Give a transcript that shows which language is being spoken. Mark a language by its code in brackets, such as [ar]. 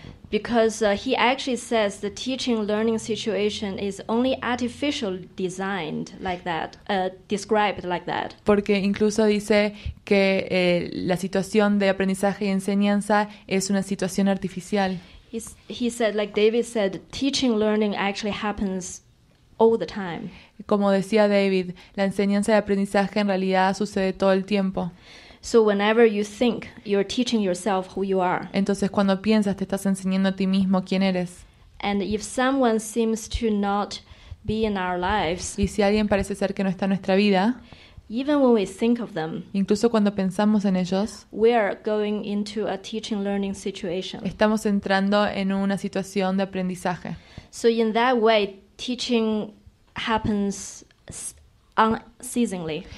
[en] Because he actually says the teaching learning situation is only artificially designed like that, described like that. [es] Porque incluso dice que la situación de aprendizaje y enseñanza es una situación artificial. [en] He said, like David said, teaching learning actually happens all the time. [es] Como decía David, la enseñanza y aprendizaje en realidad sucede todo el tiempo. [en] So whenever you think you're teaching yourself who you are. [es] Entonces cuando piensas te estás enseñando a ti mismo quién eres. [en] And if someone seems to not be in our lives. [es] Y si alguien parece ser que no está en nuestra vida. [en] Even when we think of them. [es] Incluso cuando pensamos en ellos. [en] We are going into a teaching learning situation. [es] Estamos entrando en una situación de aprendizaje. [en] So in that way teaching happens unceasingly.